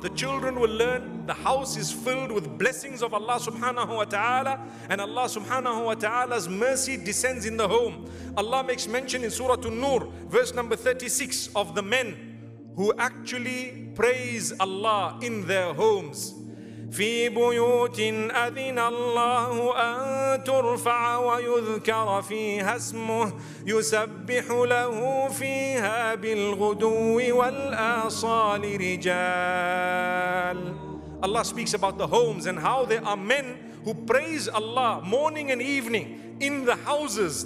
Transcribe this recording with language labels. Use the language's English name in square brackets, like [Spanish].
[English] The children will learn the house is filled with blessings of Allah subhanahu wa ta'ala, and Allah subhanahu wa ta'ala's mercy descends in the home. Allah makes mention in Surah An-Nur, verse number 36, of the men who actually praise Allah in their homes. [Arabic] في بيوت أذن الله أن ترفع ويذكر فيها اسمه يسبح له فيها بالغدو والآصال رجال. [English] Allah speaks about the homes and how there are men who praise Allah morning and evening in the houses.